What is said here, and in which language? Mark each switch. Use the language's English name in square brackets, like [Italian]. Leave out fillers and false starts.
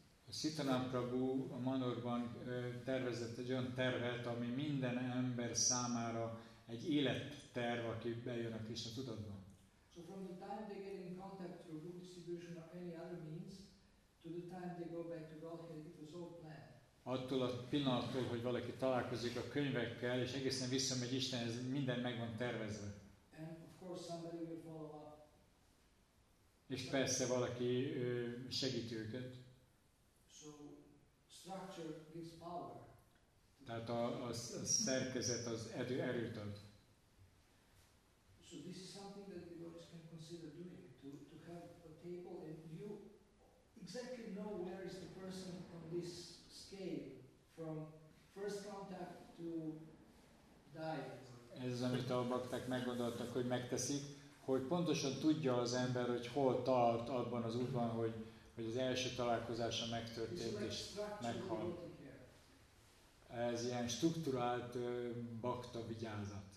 [Hungarian] Sitanam Prabhu a Manorban tervezett egy olyan tervet, ami minden ember számára egy életterv, aki bejön a Krisna tudatba. [English] So from the time they get in contact through group distribution or any other means, to the time they go back to Godhead, it was all planned. [Hungarian] Attól a pillanattól, hogy valaki találkozik a könyvekkel, és egészen visszamegy Istenhez, minden meg van tervezve. [English] And of course somebody will follow up. [Hungarian] És persze valaki segít őket. [English] Structure gives power. [Hungarian] Tehát a szerkezet az erőt ad. [English] So this is something that the devotees can consider doing, to have a table and you exactly know where is the person on this scale from first contact to die. [Hungarian] Ez az, amit a bakták meggondoltak, hogy megteszik, hogy pontosan tudja az ember, hogy hol tart abban az útban, hogy az első találkozása megtörtént és meghal. Ez ilyen strukturált bakta vigyázat.